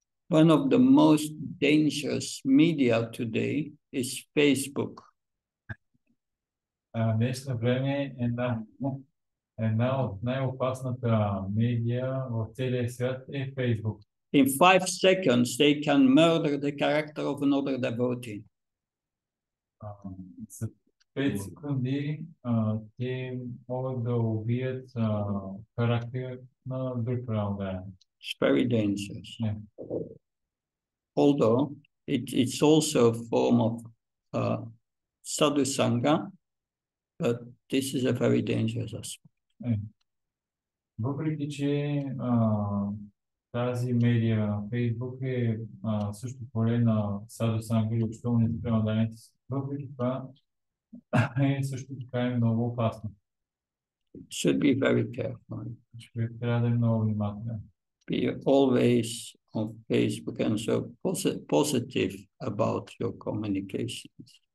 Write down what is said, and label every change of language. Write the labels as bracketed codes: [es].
[en] One of the most dangerous media today is Facebook. [bg] Днешно време една от най-опасната медия в целия свят е Facebook. [en] In 5 seconds, they can murder the character of another devotee. It's very dangerous. Yeah. Although it's also a form of sadhu sangha, but this is a very dangerous aspect. Yeah. [bg] Тази медия Facebook е също поле на сада санга или общуването при младенци. Въпреки това е също така е много опасно. [en] Should be very careful. [bg] Трябва да е много внимателен. [en] Be always on Facebook and so positive about your communications.